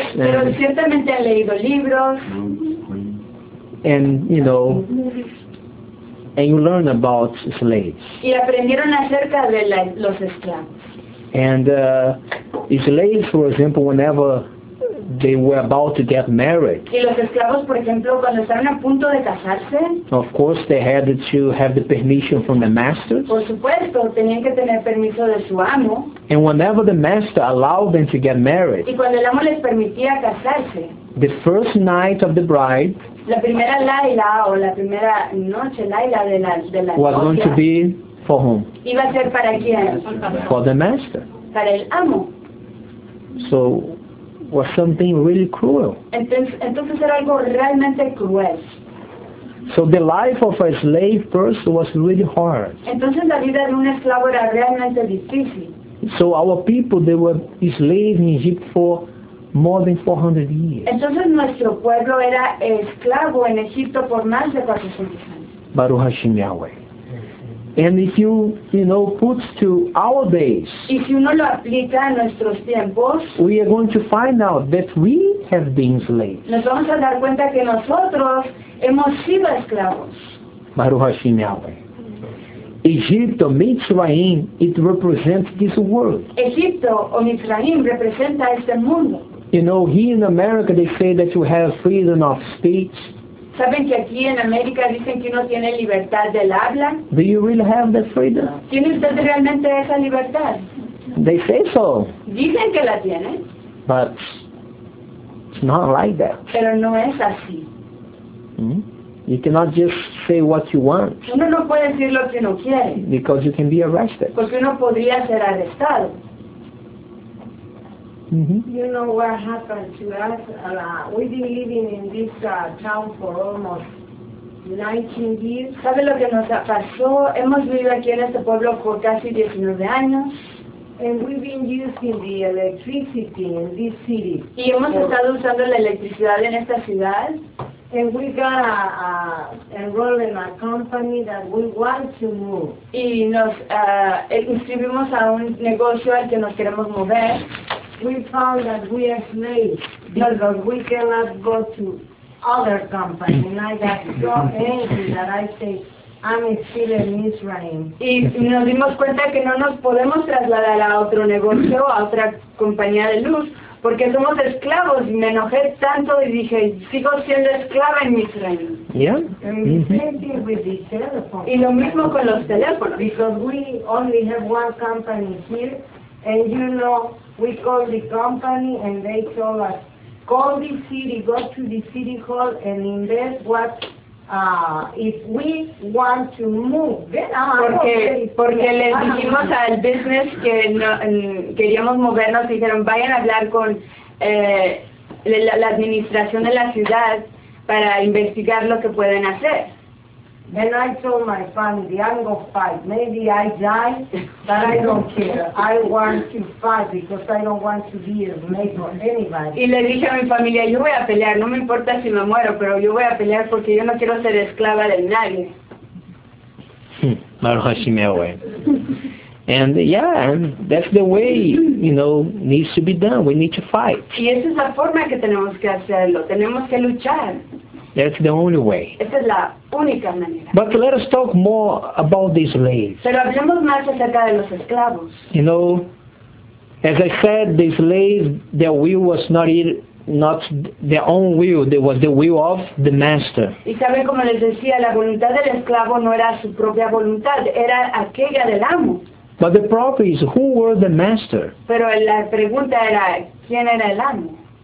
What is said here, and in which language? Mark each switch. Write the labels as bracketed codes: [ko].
[es] Pero ciertamente han leído libros. [en] And, you know, and you learn about slaves. [es] Y aprendieron acerca de los esclavos. [en] And slaves, for example, whenever they were about to get married. [es] Y los esclavos, por ejemplo, cuando estaban a punto de casarse. [en] Of course, they had to have the permission from the master. [es] Por supuesto, tenían que tener permiso de su amo. [en] And whenever the master allowed them to get married. [es] Y cuando el amo les permitía casarse. [en] The first night of the bride. [es] La primera laila o la primera noche laila de la [en] was going to be for whom? [es] Iba a ser para quién? [en] For the master. [es] Para el amo. [en] So was something really cruel. [es] Entonces era algo realmente cruel. [en] So the life of a slave person was really hard. [es] Entonces la vida de un esclavo era realmente difícil. [en] So our people, they were slaves in Egypt for more than 400 years. [es] Entonces nuestro pueblo era esclavo en Egipto por más de 400 años. [he] Baruch Hashem Yahweh. [en] And if you know, puts to our days. [es] Y si uno lo aplica a nuestros tiempos. [en] We are going to find out that we have been slaves. [es] Nos vamos a dar cuenta que nosotros hemos sido esclavos. [he] Baruch Hashem Yahweh. [en] Egypto, Mitzrayim, it represents this world. [es] Egipto o Mitzrayim representa este mundo. [en] You know, here in America they say that you have freedom of speech. [es] ¿Saben que aquí en América dicen que uno tiene libertad del habla? [en] Do you really have the freedom? [es] ¿Tiene usted realmente esa libertad? [en] They say so. [es] Dicen que la tiene. [en] But it's not like that. [es] Pero no es así. [en] You cannot just say what you want. [es] Uno no puede decir lo que uno quiere. [en] Because you can be arrested. [es] Porque uno podría ser arrestado. Mm-hmm. [en] You know what happened to us? We've been living in this town for almost 19 years. [es] ¿Sabe lo que nos pasó? Hemos vivido aquí en este pueblo por casi 19 años. [en] And we've been using the electricity in this city. [es] Y hemos estado usando la electricidad en esta ciudad. [en] And we got enrolled in a company that we want to move. [es] Y nos inscribimos a un negocio al que nos queremos mover. [en] We found that we are slaves because we cannot go to other companies. And I got so angry that I say, I'm still in Israel. [es] Y nos dimos cuenta que no nos podemos trasladar a otro negocio, a otra compañía de luz, porque somos esclavos. Y me enojé tanto y dije, sigo siendo esclava en Israel. [en] Yeah. And the same thing with the telephone. [es] Y lo mismo con los teléfonos. [en] Because we only have one company here. And you know, we called the company and they told us, call the city, go to the city hall and invest what, if we want to move. [es] Porque le dijimos al business que no, queríamos movernos, dijeron, vayan a hablar con la administración de la ciudad para investigar lo que pueden hacer. [en] Then I told my family, I'm going to fight. Maybe I die, but I don't care. I want to fight because I don't want to be a slave for anybody. [es] Y le dije a mi familia, yo voy a pelear. No me importa si me muero, pero yo voy a pelear porque yo no quiero ser esclava de nadie. [he] Baruch Hashem, Yahweh. [en] And yeah, that's the way, you know, needs to be done. We need to fight. [es] Y esa es la forma que tenemos que hacerlo. Tenemos que luchar. [en] That's the only way. [es] Esa es la única manera. [en] But let us talk more about the slaves. [es] Pero hablemos más acerca de los esclavos. [en] You know, as I said, the slaves, their will was not their own will. It was the will of the master. [es] Y saben, como les decía, la voluntad del esclavo no era su propia voluntad, era aquella del amo. [en] But the problem is, who was the master? [es] Pero la pregunta era, ¿quién era el amo?